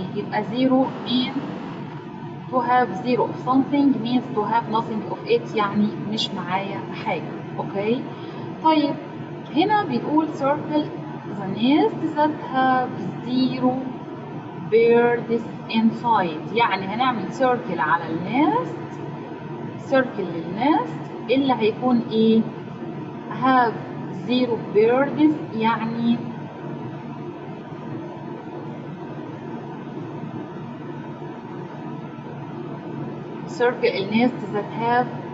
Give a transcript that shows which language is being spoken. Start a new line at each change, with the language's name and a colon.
English: يبقى 0 means to have zero of something means to have nothing of it.
Arabic: يعني مش معايا حاجة. اوكي. طيب هنا بيقول
English: circle the nest that have zero birds inside.
Arabic: يعني هنعمل circle على النست. circle للنست اللي هيكون ايه؟
English: have zero birds. يعني circle النست that have